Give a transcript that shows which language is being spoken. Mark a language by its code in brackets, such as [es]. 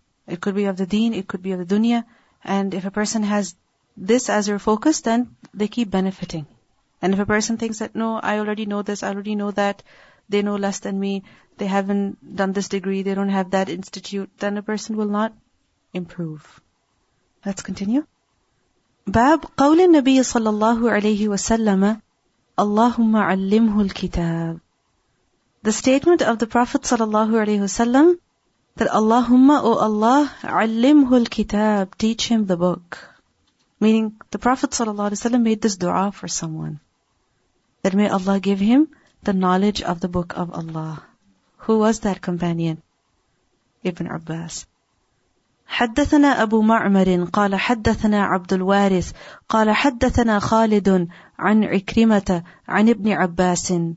[en] It could be of the deen, it could be of the dunya, and if a person has this as their focus, then they keep benefiting. And if a person thinks that, no, I already know this, I already know that, they know less than me, they haven't done this degree, they don't have that institute, then a person will not improve. Let's continue. [ar] باب قول النبي صلى الله عليه وسلم اللهم علمه الكتاب. [en] The statement of the Prophet [ar] صلى الله عليه وسلم [en] that [ar] اللهم أو الله علمه الكتاب, [en] teach him the book. Meaning the Prophet [ar] صلى الله عليه وسلم [en] made this dua for someone. That may Allah give him the knowledge of the book of Allah. Who was that companion? Ibn Abbas. [ar] حدثنا أبو معمر قال حدثنا عبد الوارث قال حدثنا خالد عن عكرمة عن ابن عباس.